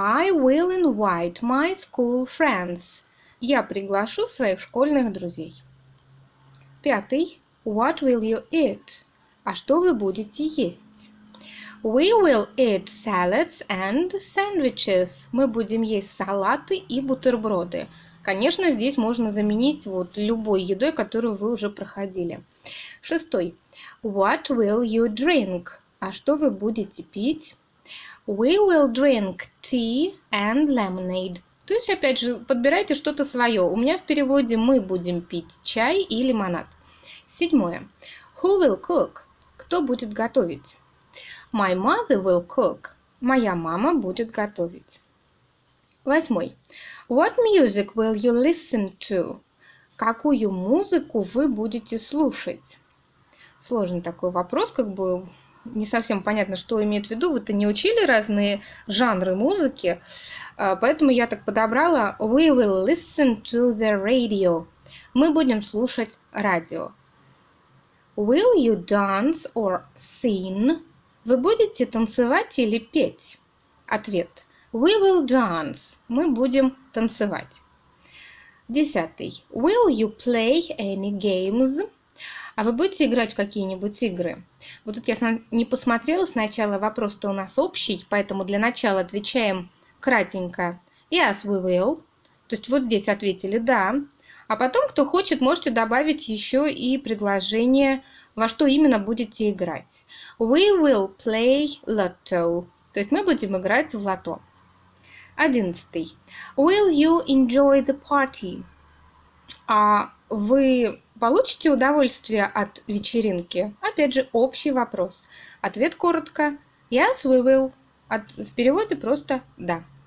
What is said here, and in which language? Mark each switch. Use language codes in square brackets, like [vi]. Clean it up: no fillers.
[en] I will invite my school friends. [ru] Я приглашу своих школьных друзей. Пятый. [en] What will you eat? [ru] А что вы будете есть? [en] We will eat salads and sandwiches. [ru] Мы будем есть салаты и бутерброды. Конечно, здесь можно заменить вот любой едой, которую вы уже проходили. Шестой. [en] What will you drink? [ru] А что вы будете пить? [en] We will drink tea and lemonade. [ru] То есть, опять же, подбирайте что-то свое. У меня в переводе мы будем пить чай и лимонад. Седьмое. [en] Who will cook? [ru] Кто будет готовить? [en] My mother will cook. [ru] Моя мама будет готовить. Восьмой. [en] What music will you listen to? [ru] Какую музыку вы будете слушать? Сложный такой вопрос, как бы не совсем понятно, что имеет в виду. Вы-то не учили разные жанры музыки, поэтому я так подобрала. [en] We will listen to the radio. [ru] Мы будем слушать радио. [en] Will you dance or sing? [ru] Вы будете танцевать или петь? Ответ. [en] We will dance. [ru] Мы будем танцевать. Десятый. [en] Will you play any games? [ru] А вы будете играть в какие-нибудь игры? Вот тут я не посмотрела сначала, вопрос-то у нас общий, поэтому для начала отвечаем кратенько. [en] Yes, we will. [ru] То есть вот здесь ответили «да». А потом, кто хочет, можете добавить еще и предложение, во что именно будете играть. [en] We will play lotto. [ru] То есть мы будем играть в лото. Одиннадцатый. [en] Will you enjoy the party? [ru] А вы получите удовольствие от вечеринки? Опять же, общий вопрос. Ответ коротко. [en] Yes, we will. [ru] В переводе просто «да».